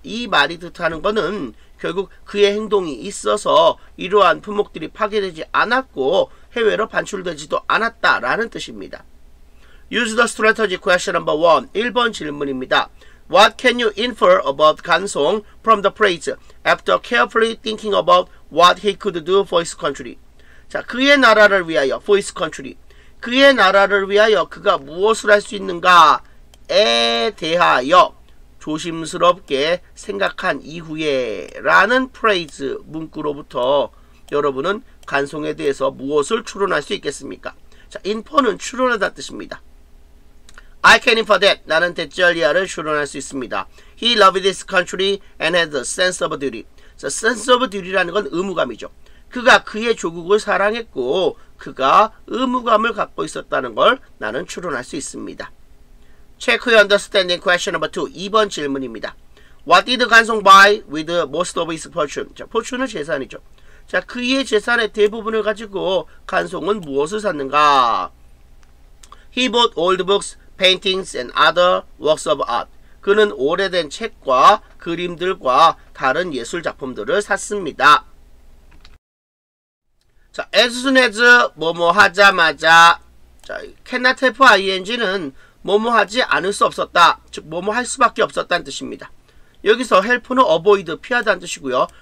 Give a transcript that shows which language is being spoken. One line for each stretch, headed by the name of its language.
Korean: 이 말이 뜻하는 것은 결국 그의 행동이 있어서 이러한 품목들이 파괴되지 않았고 해외로 반출되지도 않았다라는 뜻입니다.
English: Use the strategy question number 1.
Korean: 1번 질문입니다.
English: What can you infer about 간송 from the phrase after carefully thinking about what he could do for his country?
Korean: 자, 그의 나라를 위하여
English: for his country.
Korean: 그의 나라를 위하여 그가 무엇을 할 수 있는가에 대하여 조심스럽게 생각한 이후에 라는 프레이즈 문구로부터 여러분은 간송에 대해서 무엇을 추론할 수 있겠습니까? 자, 인퍼는 추론하다 뜻입니다.
English: I can infer that.
Korean: 나는 데짤리아를 추론할 수 있습니다.
English: He loved this country and had a sense of duty.
Korean: So sense of duty라는 건 의무감이죠. 그가 그의 조국을 사랑했고 그가 의무감을 갖고 있었다는 걸 나는 추론할 수 있습니다.
English: Check your understanding question number 2.
Korean: 2번 질문입니다.
English: What did Gansong buy with most of his fortune?
Korean: 자, fortune은 재산이죠. 자, 그의 재산의 대부분을 가지고 간송은 무엇을 샀는가?
English: He bought old books, paintings, and other works of art.
Korean: 그는 오래된 책과 그림들과 다른 예술 작품들을 샀습니다. 자, as soon as 뭐뭐 하자마자 자, cannot help ing는 뭐뭐 하지 않을 수 없었다. 즉, 뭐뭐 할 수밖에 없었다는 뜻입니다. 여기서 help는 avoid, 피하다는 뜻이고요.